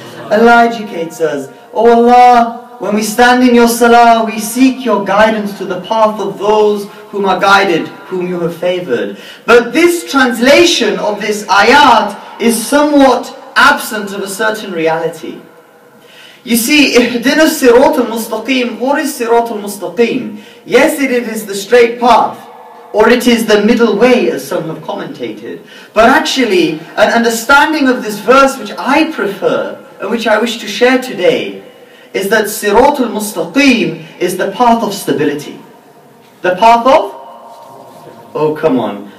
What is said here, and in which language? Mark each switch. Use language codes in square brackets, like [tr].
[en] Allah educates us, O Allah, when we stand in your salah, we seek your guidance to the path of those whom are guided, whom you have favored. But this translation of this ayat is somewhat absent of a certain reality. You see, [ar] اِهْدِنَا الصِّرَاطَ الْمُسْتَقِيمِ. [en] What is صِرَاطَ الْمُسْتَقِيمِ? Yes, it is the straight path, or it is the middle way, as some have commentated. But actually, an understanding of this verse which I prefer, and which I wish to share today, is that صِرَاطَ الْمُسْتَقِيمِ is the path of stability. The path of? Oh, come on.